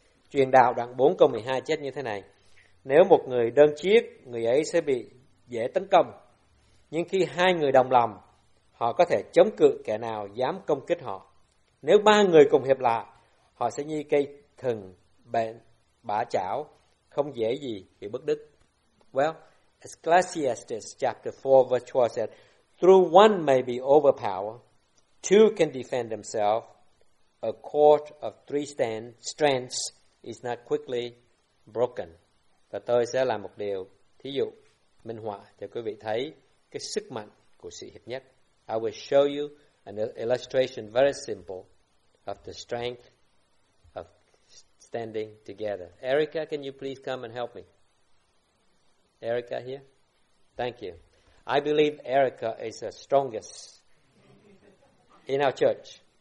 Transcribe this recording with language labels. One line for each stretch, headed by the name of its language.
Vietnamese: Truyền Đạo đoạn 4 câu 12 chép như thế này: Nếu một người đơn chiếc, người ấy sẽ bị dễ tấn công. Nhưng khi hai người đồng lòng, họ có thể chống cự kẻ nào dám công kích họ. Nếu ba người cùng hiệp lại, họ sẽ như cây thừng bện bả chảo, không dễ gì bị bức đứt.
English: Well, Ecclesiastes chapter 4 verse 12 said, though one may be overpowered, two can defend themselves. A cord of three strands is not quickly broken.
Vietnamese: Và tôi sẽ làm một điều thí dụ minh họa cho quý vị thấy cái sức mạnh của sự hiệp nhất.
English: I will show you an illustration very simple of the strength of standing together. Erica, can you please come and help me? Erica here? Thank you. I believe Erica is the strongest in our church.